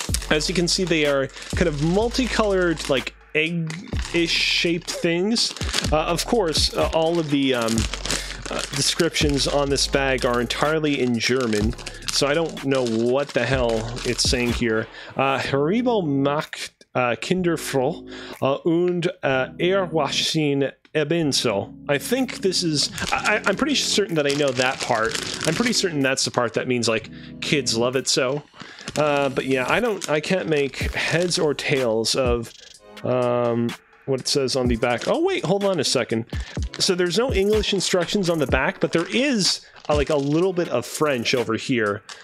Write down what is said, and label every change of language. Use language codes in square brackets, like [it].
[en] As you can see, they are kind of multicolored, like egg-ish shaped things. Of course, all of the descriptions on this bag are entirely in German, so I don't know what the hell it's saying here. [de] Haribo macht Kinderfroh und erwachsen ebenso. [en] I think this is, I'm pretty certain that I know that part. I'm pretty certain that's the part that means like kids love it so. But yeah, I can't make heads or tails of what it says on the back. Oh wait, hold on a second. So there's no English instructions on the back, but there is a little bit of French over here.